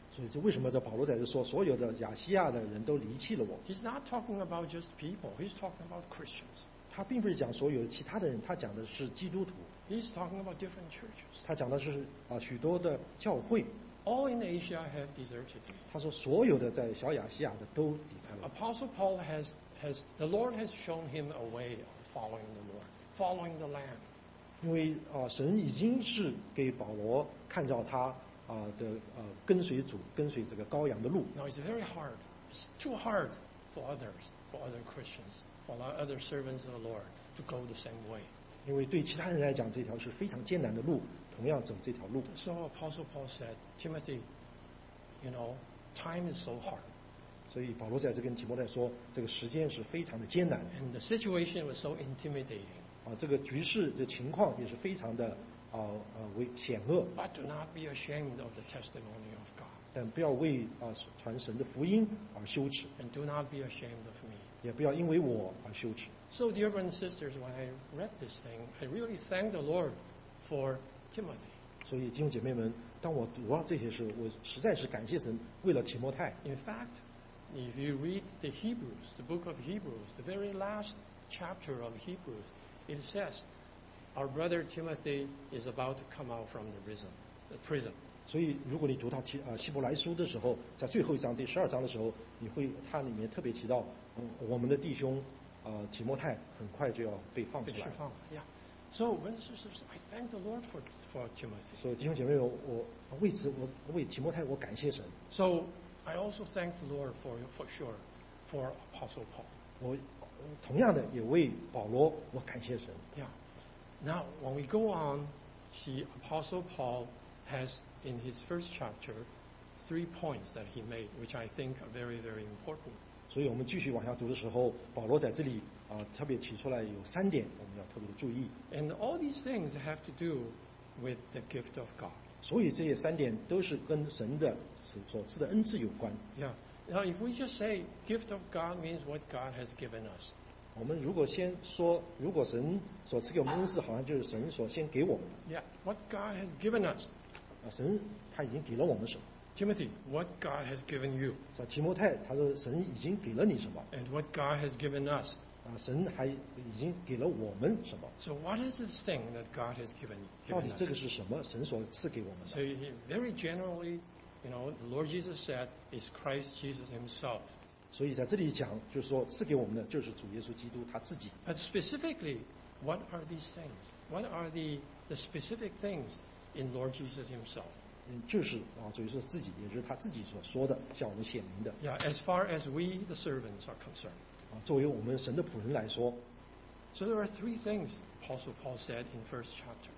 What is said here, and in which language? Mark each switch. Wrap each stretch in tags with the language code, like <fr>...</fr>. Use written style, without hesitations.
<zh>所以这为什么这保罗在这说所有的亚细亚的人都离弃了我。</zh> <en>He's not talking about just people. He's talking about Christians.</en> <zh>他并不是讲所有其他的人，他讲的是基督徒。</zh> <en>He's talking about different churches.</en> <zh>他讲的是许多的教会。</zh> <en>All in Asia have deserted me.</en> <zh>他说所有的在小亚细亚的都离开了。</zh> <en>Apostle Paul has the Lord has shown him a way of following the Lord, following the Lamb.</en> <zh>因为神已经是给保罗看到他跟随主、跟随这个羔羊的路。</zh> <en>Now it's very hard, it's too hard for others, for other Christians, for other servants of the Lord to go the same way.</en> <zh>因为对其他人来讲，这条是非常艰难的路，同样走这条路。</zh> <en>So Apostle Paul said, Timothy, you know, time is so hard.</en> <zh>所以保罗在这跟提摩太说，这个时间是非常的艰难。</zh> <en>And the situation was so intimidating.</en> <zh>这个局势的情况也是非常的险恶。</zh> <en>But do not be ashamed of the testimony of God.</en> <zh>但不要为传神的福音而羞耻。</zh> <en>And do not be ashamed of me.</en> <zh>也不要因为我而羞耻。</zh> <en>So dear brothers and sisters, when I read this thing, I really thank the Lord for Timothy.</en> <zh>所以弟兄姐妹们，当我读到这些时，我实在是感谢神为了提摩太。</zh> <en>In fact, if you read the Hebrews, the book of Hebrews, the very last chapter of Hebrews. It says, our brother Timothy is about to come out from the prison.</en> <zh>所以如果你读到希伯来书的时候，在最后一章第十二章的时候，它里面特别提到我们的弟兄提摩太很快就要被放出来。被释放了 ，Yeah.</zh> <en>So, brothers, I thank the Lord for Timothy.</en> <zh>所以弟兄姐妹，我为此我为提摩太我感谢神。</zh> <en>So, I also thank the Lord for sure for Apostle Paul.</en> <zh>我同样的也为保罗我感谢神。</zh> <en>Yeah. Now, when we go on, the Apostle Paul has in his first chapter three points that he made, which I think are very, very important.</en> <zh>所以我们继续往下读的时候，保罗在这里特别提出来有三点我们要特别的注意。</zh> <en>And all these things have to do with the gift of God.</en> <zh>所以这些三点都是跟神的所赐的恩赐有关。</zh> <en>Yeah. Now, if we just say gift of God means what God has given us,</en> <zh>我们如果先说，如果神所赐给我们恩赐，好像就是神所先给我们的。</zh> <en>Yeah, what God has given us.</en> <zh>神他已经给了我们什么</zh> <en>？Timothy, what God has given you.</en> <zh>提摩太他说神已经给了你什么</zh> <en>？And what God has given us.</en> <zh>神还已经给了我们什么</zh> <en>？So what is this thing that God has given us?</en> <zh>到底这个是什么？神所赐给我们的</zh> <en>？So very generally. You know, the Lord Jesus said, "Is Christ Jesus Himself."</en> <zh>所以在这里讲，就是说赐给我们的就是主耶稣基督他自己。</zh> <en>But specifically, what are these things? What are the specific things in Lord Jesus Himself?</en> <zh>就是主耶稣自己，也就是他自己所说的，向我们显明的。</zh> <en>Yeah, as far as we the servants are concerned.</en> <zh>作为我们神的仆人来说。</zh> <en>So there are three things Apostle Paul said in first chapter.</en>